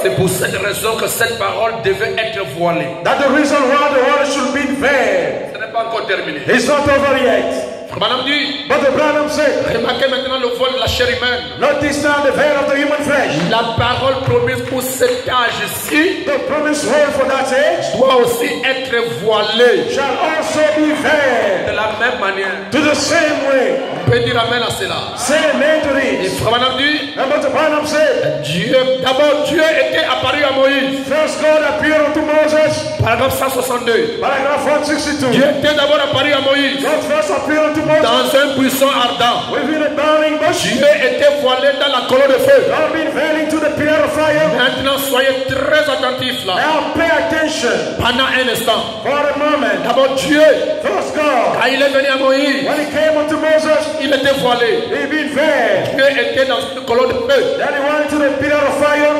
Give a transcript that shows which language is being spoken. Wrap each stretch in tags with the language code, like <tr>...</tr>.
<fr>C'est pour cette raison que cette parole devait être voilée.</fr> <en>That the reason why the word should be veiled.</en> <fr>Ce n'est pas encore terminé.</fr> <en>It's not over yet.</en> <fr>Branham dit.</fr> <en>But the Branham said.</en> <fr>Remarquez maintenant le voile de la chair humaine.</fr> <en>Notice now the veil of the human flesh.</en> <fr>La parole promise pour cet âge-ci.</fr> <en>The promised word for that age.</en> <fr>Doit doit aussi être voilé.</fr> <en>Shall also be veiled.</en> <fr>De la même manière.</fr> <en>To the same way.</en> <fr>On peut dire amen à cela.</fr> <en>Say amen to this.</en> <fr>Et Frère Manam dit.</fr> <en>And what the Manam said.</en> <fr>Dieu, d'abord Dieu était apparu à Moïse.</fr> <en>First God appeared unto Moses.</en> <fr>Paragraphe 162.</fr> <en>Paragraph 162.</en> <fr>Dieu était d'abord apparu à Moïse.</fr> <en>God first appeared unto Moses.</en> <fr>Dans un buisson ardent.</fr> <en>Within a burning bush.</en> <fr>Dieu était voilé dans la colonne de feu.</fr> <en>God been veiling to the pillar of fire.</en> <fr>Maintenant soyez très attentifs là.</fr> <en>Now pay attention.</en> <fr>Pendant un instant.</fr> <en>For a moment.</en> <fr>D'abord Dieu.</fr> <en>First God.</en> <fr>Quand il est venu à Moïse.</fr> <en>When he came unto Moses.</en> <fr>Il était voilé.</fr> <en>He been veiled.</en> <fr>Dieu était dans une colonne de feu.</fr> <en>Then he went to the pillar of fire.</en>